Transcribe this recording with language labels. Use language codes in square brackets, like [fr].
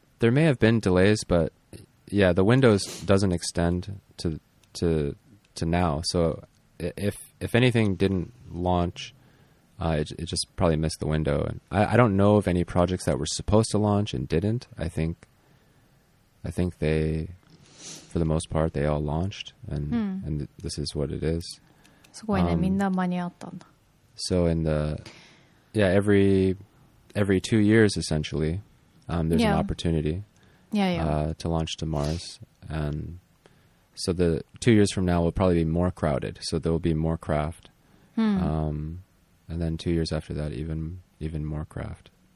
[en] There may have been delays, but yeah, the window doesn't extend to now, so if anything didn't launch, it just probably missed the window. And I don't know of any projects that were supposed to launch and didn't. I think they, for the most part, they all launched, and this is what it is. [ja] すごいね、みんな間に合ったんだ。 [en] So in the every 2 years essentially, there's an opportunity, to launch to Mars and. So the 2 years from now will probably be more crowded. So there will be more craft. And then 2 years after that, even more craft.